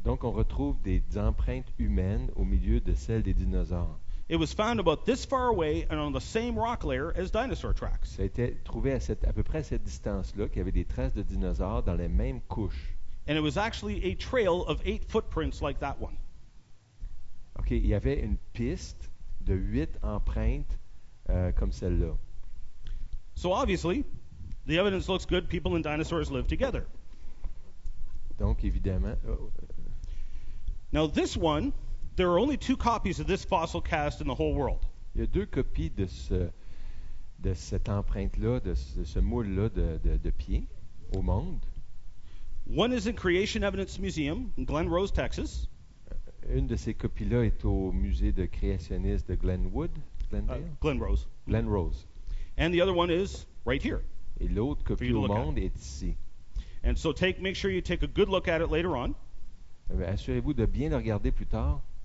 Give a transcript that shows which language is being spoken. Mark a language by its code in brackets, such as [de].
[fr] Donc on retrouve des empreintes humaines au milieu de celles des dinosaures. [en] It was found about this far away and on the same rock layer as dinosaur tracks. [fr] Ça a été trouvé à peu près à cette distance-là qu'il y avait des traces de dinosaures dans les mêmes couches. [en] And it was actually a trail of 8 footprints like that one. [fr] OK, il y avait une piste de 8 empreintes comme celle-là. [en] So obviously, the evidence looks good. People and dinosaurs live together. [fr] Donc, évidemment. [en] Now, this one, there are only 2 copies of this fossil cast in the whole world. [fr] Il y a 2 copies de cette empreinte-là, de ce moule-là de pied au monde. [en] One is in Creation Evidence Museum in Glen Rose, Texas. [fr] Une de ces copies-là est au musée de créationnistes de Glenwood, Glendale? [en] Glen Rose. Glen Rose. And the other one is right here. [fr] Et l'autre copie au monde est ici. [en] And so make sure you take a good look at it later on. [fr] Assurez-vous de bien le regarder plus tard.